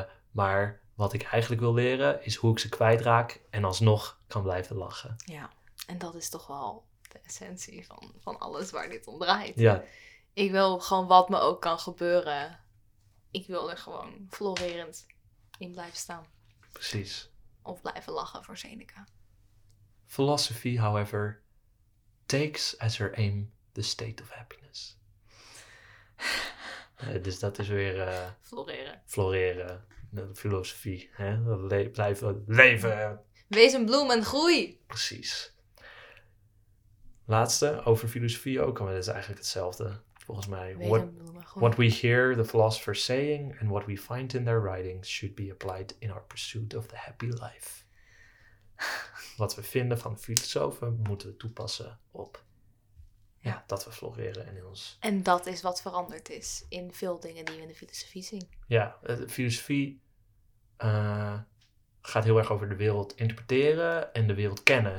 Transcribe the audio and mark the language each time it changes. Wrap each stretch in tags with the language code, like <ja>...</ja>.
<nl>Maar wat ik eigenlijk wil leren is hoe ik ze kwijtraak en alsnog kan blijven lachen. Ja, en dat is toch wel de essentie van alles waar dit om draait. Ja. Ik wil gewoon wat me ook kan gebeuren. Ik wil er gewoon florerend in blijven staan. Precies. Of blijven lachen voor Seneca.</nl> <en>Philosophy, however, takes as her aim the state of happiness.</en> <nl>Dus dat is weer... Floreren. De filosofie. Hè? Blijven leven. Wees een bloem en groei. Precies. Laatste over filosofie ook. Maar dat is eigenlijk hetzelfde. Volgens mij.</nl> <en>What we hear the philosophers saying and what we find in their writings should be applied in our pursuit of the happy life.</en> <nl>Wat we vinden van filosofen moeten we toepassen op dat we floreren in ons. En dat is wat veranderd is in veel dingen die we in de filosofie zien. Ja, de filosofie gaat heel erg over de wereld interpreteren en de wereld kennen.</nl>